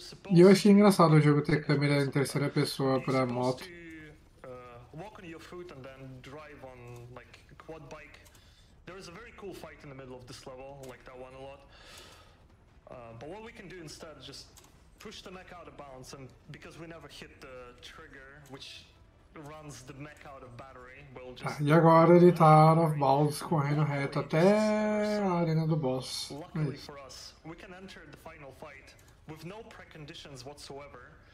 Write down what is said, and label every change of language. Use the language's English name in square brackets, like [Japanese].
[Portuguese] E eu achei engraçado o jogo ter câmera em terceira pessoa para moto. [English] Walk on your foot and then drive on like a quad bike. There is a very cool fight in the middle of this level, like that one a lot. But what we can do instead is just push the mech out of bounds, and because we never hit the trigger which runs the mech out of battery, we'll just... [Portuguese] E agora ele tá out of bounds correndo reto até a arena do boss. [English] Luckily for us, we can enter the final fight with no preconditions whatsoever.